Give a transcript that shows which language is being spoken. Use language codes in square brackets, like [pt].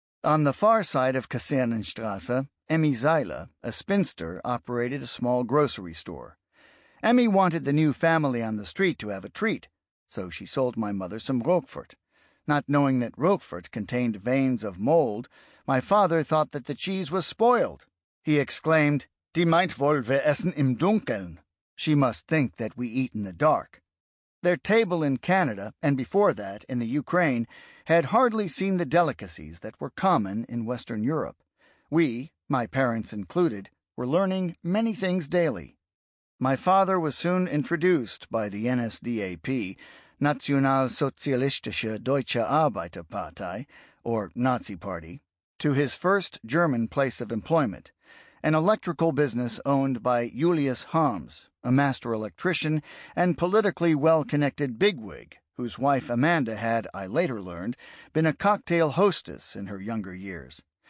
[en] On the far side of Kasernenstrasse, Emmy Zeile, a spinster, operated a small grocery store. Emmy wanted the new family on the street to have a treat, so she sold my mother some Roquefort. Not knowing that Roquefort contained veins of mold, my father thought that the cheese was spoiled. [de] He exclaimed, "Die meint wohl, wir essen im Dunkeln." [en] She must think that we eat in the dark. Their table in Canada, and before that, in the Ukraine, had hardly seen the delicacies that were common in Western Europe. We, my parents included, were learning many things daily. My father was soon introduced by the NSDAP, Nationalsozialistische Deutsche Arbeiterpartei, or Nazi Party, to his first German place of employment, an electrical business owned by Julius Harms, a master electrician and politically well-connected bigwig, whose wife Amanda had, I later learned, been a cocktail hostess in her younger years.